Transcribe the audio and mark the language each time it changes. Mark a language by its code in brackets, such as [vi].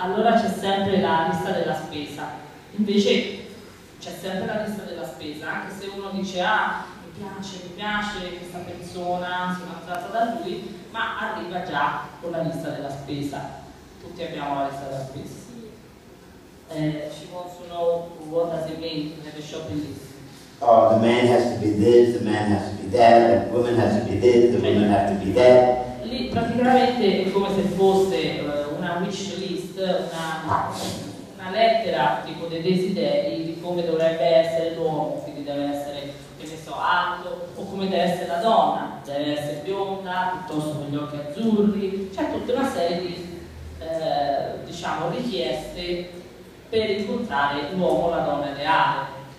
[it] Allora c'è sempre la lista della spesa. Invece c'è sempre la lista della spesa, anche se uno dice ah, mi piace questa persona, sono attratta da lui, ma arriva già con la lista della spesa. Tutti abbiamo la lista della spesa. Sì. [en] She wants to know what does it mean to have a shopping list. Oh, the man has to be this, the man has to be that, the woman has to be this, the woman has to be that. [it] Lì praticamente è come se fosse una wish list, una lettera tipo dei desideri di come dovrebbe essere l'uomo, quindi deve essere, che ne so, alto, o come deve essere la donna, deve essere bionda, piuttosto con gli occhi azzurri, c'è tutta una serie di diciamo richieste per incontrare l'uomo o la donna ideale.